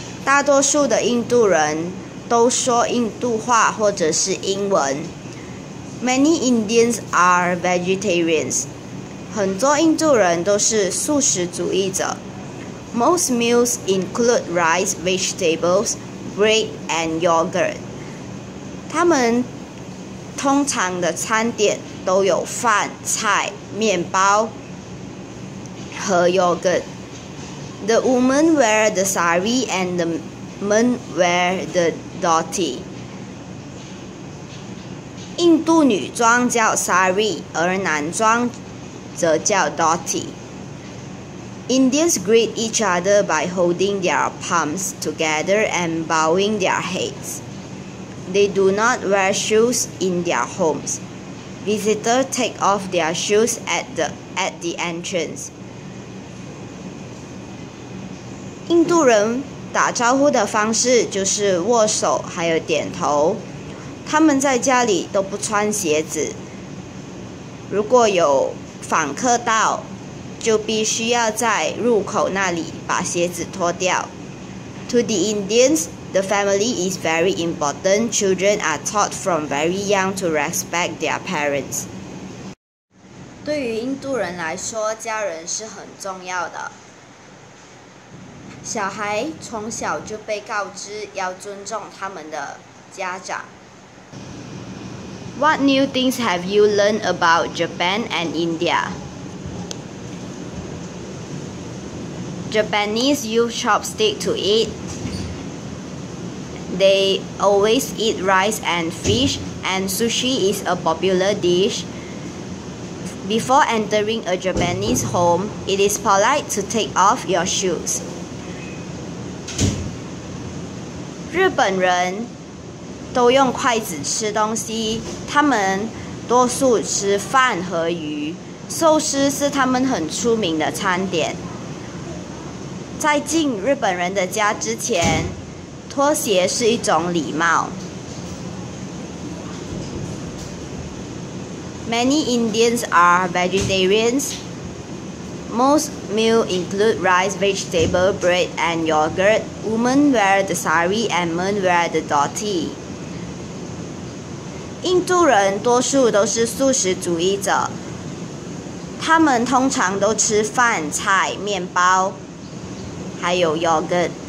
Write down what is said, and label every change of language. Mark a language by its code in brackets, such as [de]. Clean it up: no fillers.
[zh] 大多数的印度人都说印度话或者是英文。 [en] Many Indians are vegetarians. [zh] 很多印度人都是素食主义者。 [en] Most meals include rice, vegetables, bread, and yogurt. [zh] 他们通常的餐点都有饭、菜、面包和 yogurt. [en] The women wear the sari and the men wear the dhoti. [zh] 印度女装叫 sari, 而男装则叫 dhoti. [en] Indians greet each other by holding their palms together and bowing their heads. They do not wear shoes in their homes. Visitors take off their shoes at the entrance. [zh] 印度人打招呼的方式就是握手还有点头。他们在家里都不穿鞋子。如果有访客到，就必须要在入口那里把鞋子脱掉。 [en] To the Indians, the family is very important. Children are taught from very young to respect their parents. [zh] 对于印度人来说，家人是很重要的。小孩从小就被告知要尊重他们的家长。 [en] What new things have you learned about Japan and India? Japanese use chopsticks to eat. They always eat rice and fish, and sushi is a popular dish. Before entering a Japanese home, it is polite to take off your shoes. [zh] 日本人都用筷子吃东西，他们多数吃饭和鱼，寿司是他们很出名的餐点。在进日本人的家之前，脱鞋是一种礼貌。 [en] Many Indians are vegetarians. Most meals include rice, vegetable, bread, and yogurt. Women wear the sari and men wear the dhoti. [zh] 印度人多数都是素食主义者，他们通常都吃饭、菜、面包，还有 yogurt。